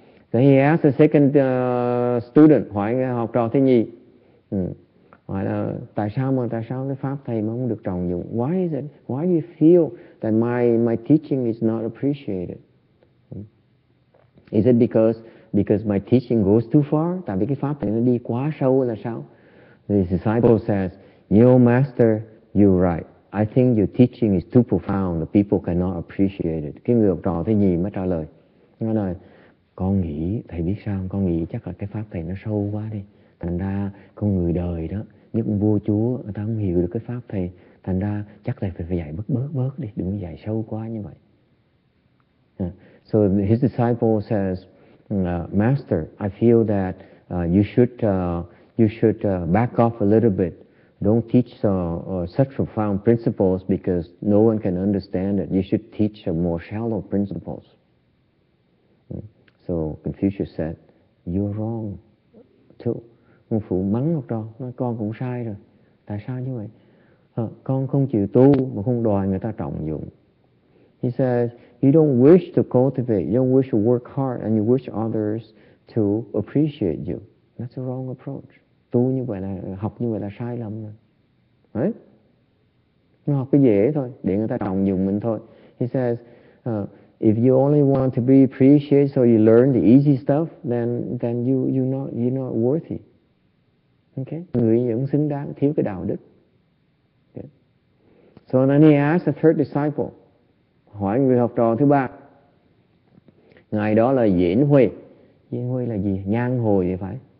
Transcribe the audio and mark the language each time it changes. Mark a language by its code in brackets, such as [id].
[en] Then he asked the second student, [vi] hỏi học trò thứ nhì, hỏi là tại sao cái pháp thầy mà không được trọng dụng? [en] Why is it? Why do you feel that my teaching is not appreciated? Is it because my teaching goes too far? [vi] Tại vì cái pháp thầy nó đi quá sâu là sao? [en] The disciple says, "Your master, you're right. I think your teaching is too profound. The people cannot appreciate it." [vi] Cái người học trò thứ nhì mới trả lời, nó nói con nghĩ, thầy biết sao, con nghĩ chắc là cái pháp thầy nó sâu quá đi. Thành ra con người đời đó, nhất vua chúa, người ta không hiểu được cái pháp thầy. Thành ra chắc là phải dạy bớt đi, đừng dạy sâu quá như vậy. [en] So his disciple says, Master, I feel that you should back off a little bit. Don't teach such profound principles because no one can understand it. You should teach more shallow principles. So Confucius said, "You're wrong, too." [vi] Ông phụ mắng học trò, nói con cũng sai rồi. Tại sao như vậy? Con không chịu tu mà không đòi người ta trọng dụng. [en] He says, "You don't wish to cultivate. You don't wish to work hard, and you wish others to appreciate you. That's a wrong approach. [vi] Tu như vậy là học như vậy là sai lầm rồi. Nó học cái dễ thôi, để người ta trọng dụng mình thôi." [en] He says, "If you only want to be appreciated, so you learn the easy stuff, then you're not worthy." [vi] Okay, người cũng xứng đáng thiếu cái đạo đức. Okay. [en] So then he asked the third disciple, [vi] hỏi người học trò thứ ba. Ngài đó là Diễn Huệ. Diễn Huệ là gì? Nhan Hồi vậy phải?